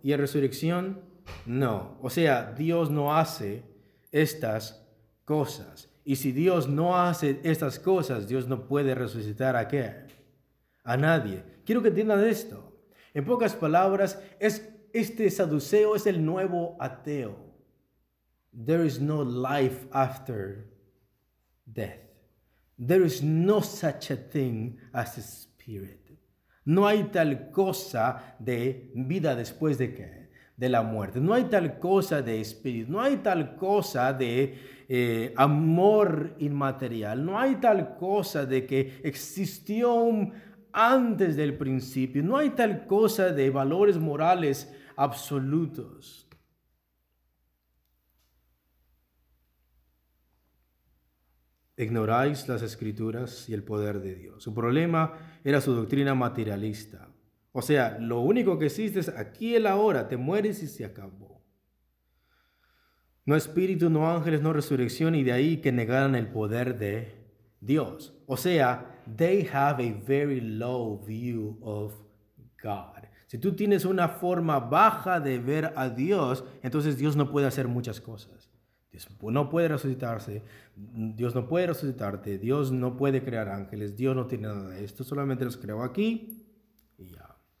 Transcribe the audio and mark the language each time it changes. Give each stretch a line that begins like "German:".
Spanish: ¿Y en resurrección? No. O sea, Dios no hace estas cosas. Y si Dios no hace estas cosas, Dios no puede resucitar a qué? A nadie. Quiero que entiendan esto. En pocas palabras, este saduceo es el nuevo ateo.
English: There is no life after death. There is no such a thing as a spirit.
Spanish: No hay tal cosa de vida después de qué? De la muerte. No hay tal cosa de espíritu. No hay tal cosa de amor inmaterial. No hay tal cosa de que existió antes del principio. No hay tal cosa de valores morales absolutos. Ignoráis las escrituras y el poder de Dios. Su problema era su doctrina materialista. O sea, lo único que existe es aquí y ahora, te mueres y se acabó. No espíritu, no ángeles, no resurrección, y de ahí que negaran el poder de Dios. O sea,
English: they have a very low view of God.
Spanish: Si tú tienes una forma baja de ver a Dios, entonces Dios no puede hacer muchas cosas. Dios no puede resucitarse, Dios no puede resucitarte, Dios no puede crear ángeles, Dios no tiene nada de esto, solamente los creó aquí y ya.